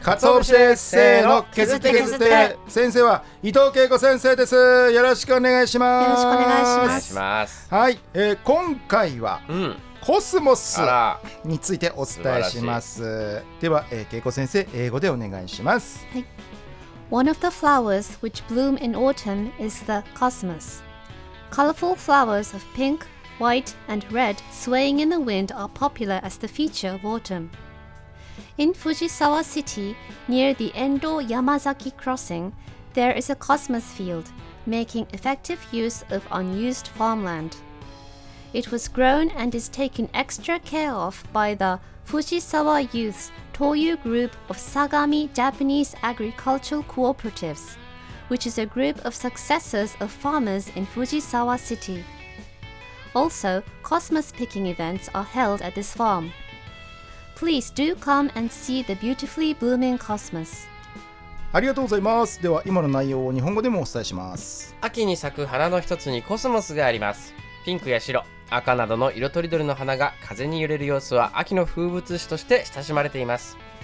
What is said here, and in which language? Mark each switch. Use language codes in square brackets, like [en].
[ja] カツオ節です。せーの、削って削って。先生は伊藤恵子先生です。よろしくお願いします。よろしくお願いします。はい、今回は、コスモスについてお伝えします。では、恵子先生、英語でお願いします。はい。 [en] One of the flowers which bloom in autumn is the cosmos. Colorful flowers of pink, white, and red swaying in the wind are popular as the feature of autumn. In Fujisawa City, near the Endo Yamazaki crossing, there is a cosmos field, making effective use of unused farmland. It was grown and is taken extra care of by the Fujisawa Youth's Toyu Group of Sagami Japanese Agricultural Cooperatives, which is a group of successors of farmers in Fujisawa City. Also, cosmos picking events are held at this farm. Please do come and see the beautifully blooming cosmos. [ja] ありがとうございます。では今の内容を日本語でもお伝えします。秋に咲く花の一つにコスモスがあります。ピンクや白、赤などの色とりどりの花が風に揺れる様子は秋の風物詩として親しまれています。